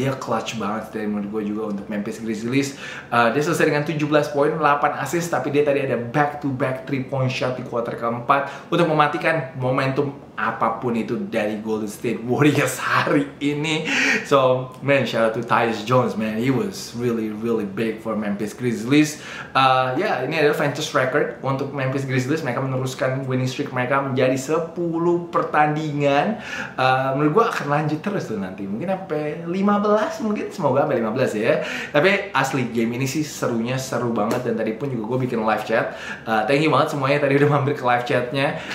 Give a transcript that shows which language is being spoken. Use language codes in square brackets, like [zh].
[id] Dia clutch banget dari menurut gue juga untuk Memphis Grizzlies. Dia selesai dengan 17 poin, 8 assist, tapi dia tadi ada back-to-back 3-point shot di quarter keempat. tepat untuk mematikan momentum apapun itu dari Golden State Warriors hari ini. [en] So, man, shout out to Tyus Jones, man. He was really, really big for Memphis Grizzlies. [id] Ini adalah franchise record untuk Memphis Grizzlies. Mereka meneruskan winning streak mereka menjadi 10 pertandingan. Menurut gue akan lanjut terus tuh nanti. Mungkin sampai 15, mungkin. Semoga sampai 15 ya. Tapi asli, game ini sih serunya seru banget. Dan tadi pun juga gue bikin live chat. [en] Thank you [id] banget semuanya tadi udah mampir ke live chatnya.